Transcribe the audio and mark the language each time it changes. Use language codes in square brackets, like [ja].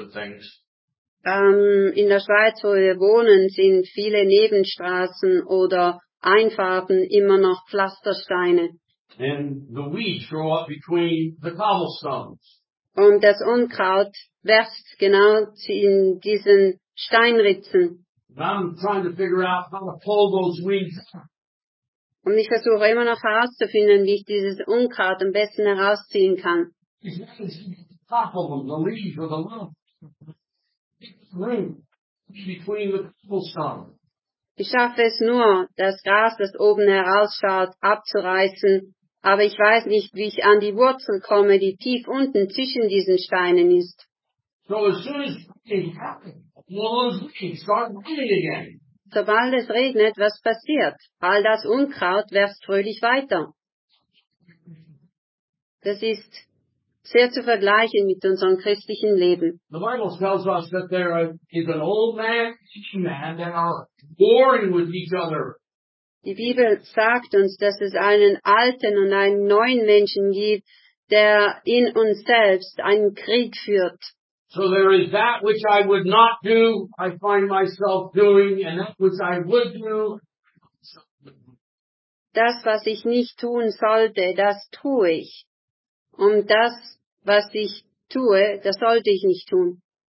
[de] In der Schweiz, wo wir wohnen, sind viele Nebenstraßen oder Einfahrten immer noch Pflastersteine. [en] And the weeds grow up between the cobblestones. [de] Und das Unkraut wächst genau in diesen Steinritzen. Und ich versuche immer noch herauszufinden, wie ich dieses Unkraut am besten herausziehen kann. Ich schaffe es nur, das Gras, das oben herausschaut, abzureißen. Aber ich weiß nicht, wie ich an die Wurzel komme, die tief unten zwischen diesen Steinen ist. [en] So as soon as it happens, it starts raining again. [de] Sobald es regnet, was passiert? All das Unkraut wächst fröhlich weiter. Das ist sehr zu vergleichen mit unserem christlichen Leben. [en] The Bible tells us that there is an old man and a man that are warring with each other. [de] Die Bibel sagt uns, dass es einen alten und einen neuen Menschen gibt, der in uns selbst einen Krieg führt. [en] So there is that which I would not do, I find myself doing, and that which I would do. [de] Das, was ich nicht tun sollte, das tue ich. Und das, was ich tue, das sollte ich nicht tun.